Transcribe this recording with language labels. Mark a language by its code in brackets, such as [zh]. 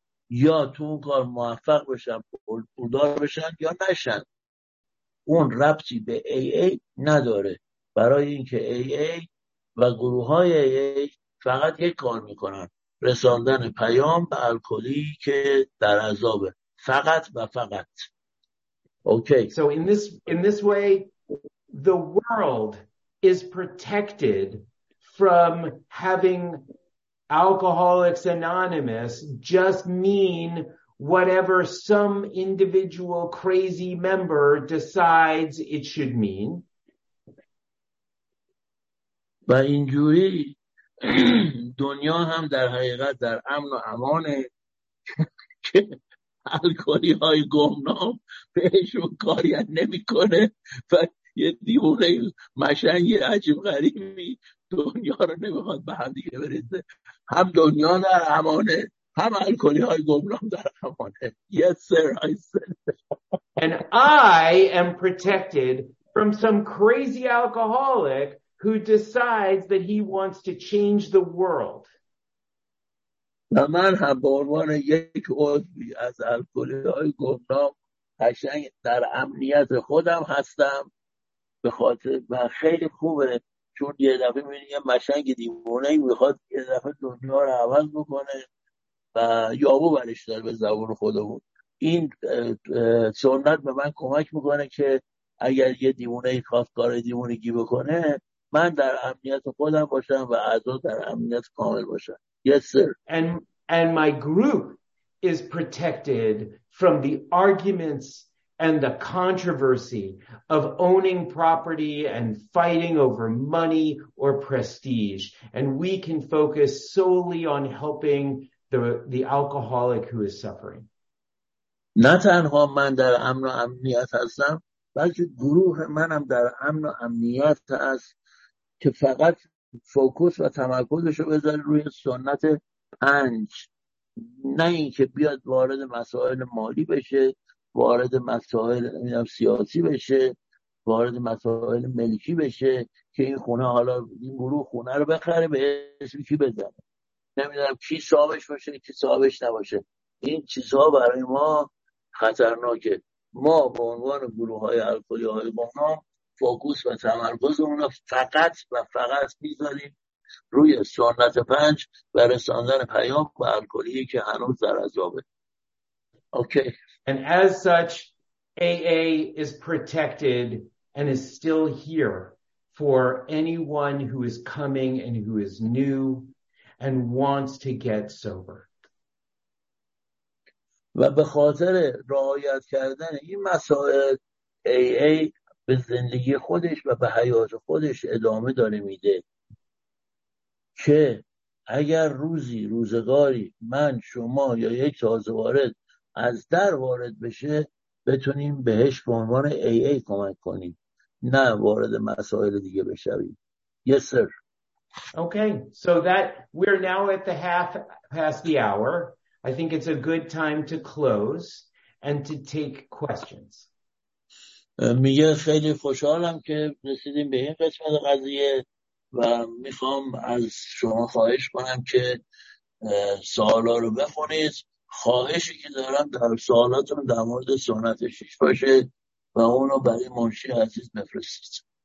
[fa] یا تو اون کار موفق بشن پولدار بشن یا نشن، اون ربطی به AA نداره، برای اینکه AA و گروه های AA فقط یک کار میکنن، رساندن پیام به الکلی که در عذابه، فقط و فقط. اوکی. [en] So in this way the world is protected from having Alcoholics Anonymous just mean whatever some individual crazy member decides it should mean. [fa] و اینجوری دنیا هم در حقیقت در امن و امانه که الکلی های گمنام بهشون کاری نمی کنه و یه دیوونه مشنگ عجیب غریبی دنیا رو نمیخواد به هم دیگه برسه، هم دنیا در امانه هم الکلی های گمنام در امانه. [en] Yes sir, I said. And I am protected from some crazy alcoholic who decides that he wants to change the world. [fa] من هم به عنوان یک عضوی از الکلی‌های گمنام قشنگ در امنیت خودم هستم به خاطر، و خیلی خوبه چون یه دفعه میبینی یه مشنگ دیوانه ای میخواد یه دفعه دنیا رو عوض بکنه و یابو برش دار به زبان خودمون. این سنت به من کمک میکنه که اگر یه دیوانه ای خواست کار دیوانگی بکنه، من در امنیت خودم باشم و اعضا در امنیت کامل باشن. [en] Yes sir. And my group is protected from the arguments and the controversy of owning property and fighting over money or prestige. And we can focus solely on helping the alcoholic who is suffering. [fa] نه تنها من در امن و امنیت هستم، بلکه گروه منم در امن و امنیت هست که فقط فوکوس و تمرکزشو بذاره روی سنت پنج، نه اینکه بیاد وارد مسائل مالی بشه، وارد مسائل سیاسی بشه، وارد مسائل ملکی بشه که این خونه حالا این گروه خونه رو بخره به اسم کی بزنه، نمیدونم کی صاحبش باشه کی صاحبش نباشه. این چیزها برای ما خطرناکه. ما به عنوان گروه های الکلی های بانا فوکوس و تمرکز اونا فقط و فقط میذاریم روی سنت پنج و رساندن پیام به الکلی که هنوز در عذابه. [en] Okay. And as such, AA is protected and is still here for anyone who is coming and who is new and wants to get sober. [fa] و به خاطر رعایت کردن این مسائل AA به زندگی خودش و به حیات خودش ادامه داره میده که اگر روزی روزگاری من شما یا یک تازه وارد از در وارد بشه بتونیم بهش به عنوان AA کمک کنیم، نه وارد مسائل دیگه بشویم. [en] Yes sir. Okay, so that we're now at the half past the hour. I think it's a good time to close and to take questions. [fa] میگه خیلی خوشحالم که رسیدیم به این قسمت قضیه و میخوام از شما خواهش کنم که سوالا رو بخونید. خواهشی که دارم در سوالاتم در مورد سنت شیش باشه و اونو برای منشی عزیز بفرستید.